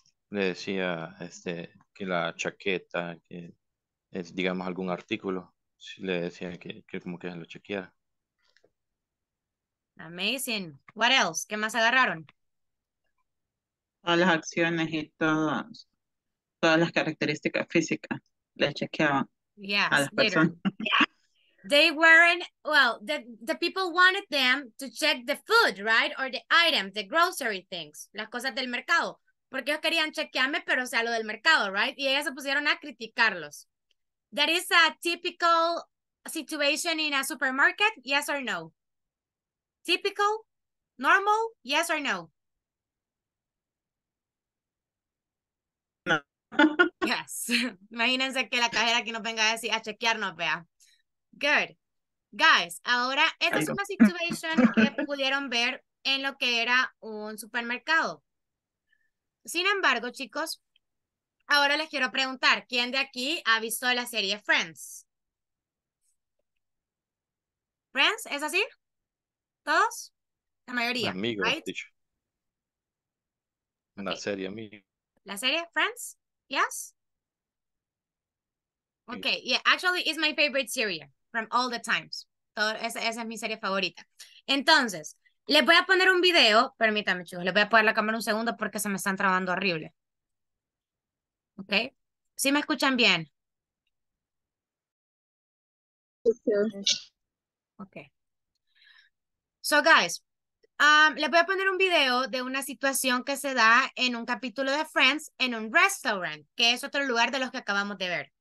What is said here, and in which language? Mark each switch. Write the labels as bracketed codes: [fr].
[es] Le decía, que la chaqueta, que es, digamos, algún artículo, le decía que como que lo chequeara. [en] Amazing. What else? [es] ¿Qué más agarraron? Todas las acciones y todas las características físicas le chequeaban. [en] Yes, [es] a las personas. [en] They weren't, well, the people wanted them to check the food, right? Or the items, the grocery things, [es] las cosas del mercado. Porque ellos querían chequearme, pero o sea, lo del mercado, right? Y ellas se pusieron a criticarlos. [en] That is a typical situation in a supermarket, yes or no? Typical? Normal? Yes or no? No. Yes. [es] Imagínense que la cajera aquí nos venga a decir a chequearnos, vea. Good. Guys, ahora, esta es una situation que pudieron ver en lo que era un supermercado. Sin embargo, chicos, ahora les quiero preguntar, ¿quién de aquí ha visto la serie Friends? ¿Friends? ¿Es así? ¿Todos? La mayoría. Amigos, [en] right? [es] La serie, mi. La serie, Friends? Yes? [en] Okay, yeah, actually, it's my favorite series from all the times. [es] Esa es mi serie favorita. Entonces, les voy a poner un video. Permítame, chicos, les voy a poner la cámara un segundo porque se me están trabando horrible. Okay, ¿sí me escuchan bien? Okay. [en] So, guys, [es] les voy a poner un video de una situación que se da en un capítulo de Friends en un restaurant, que es otro lugar de los que acabamos de ver.